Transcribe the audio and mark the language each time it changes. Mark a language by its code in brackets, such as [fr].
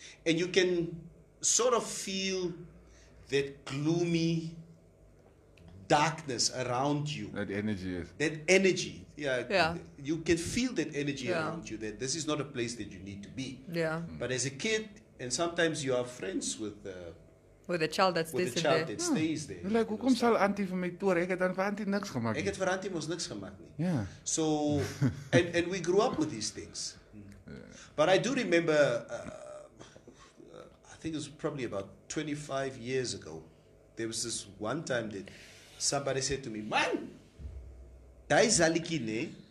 [en] And you can sort of feel that gloomy darkness around you. That energy is. That energy. Yeah. Yeah. You can feel that energy around you, that this is not a place that you need to be. Yeah. But as a kid, and sometimes you are friends with a child that stays there. With a child that stays there. [af] Like, hoe kom sal auntie vir my toer? Ek het aan vir auntie niks gemaak. Ek het vir auntie mos niks gemaak nie. [en] Yeah. So, and we grew up with these things. But I do remember, I think it was probably about 25 years ago, there was this one time that somebody said to me, man, Dai Zaliki, ne?